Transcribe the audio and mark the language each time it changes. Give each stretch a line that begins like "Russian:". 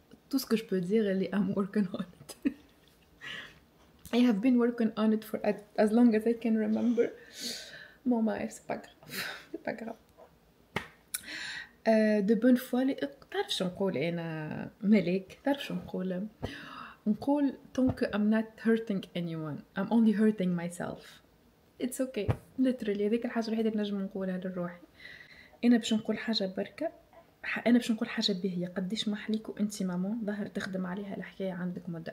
French: Tout ce que je peux dire اللي
English: I'm working on it. I have been working on it for as long as I can remember. Mon ماي سي با غراف. سي با غراف.
French: De bonne foi,
Arabic: تعرف شو نقول انا ملك. تعرف شو نقول؟ نقول
French: tant que
English: I'm not hurting anyone, I'm only hurting myself. It's okay.
Arabic: Literally, هذيك الحاجة الوحيدة اللي نجم نقولها للروحي. انا باش نقول حاجة بركة. انا باش نقول حاجة باهية. قديش محليك وانتي مامون ظهر تخدم عليها الحكاية عندك مدة.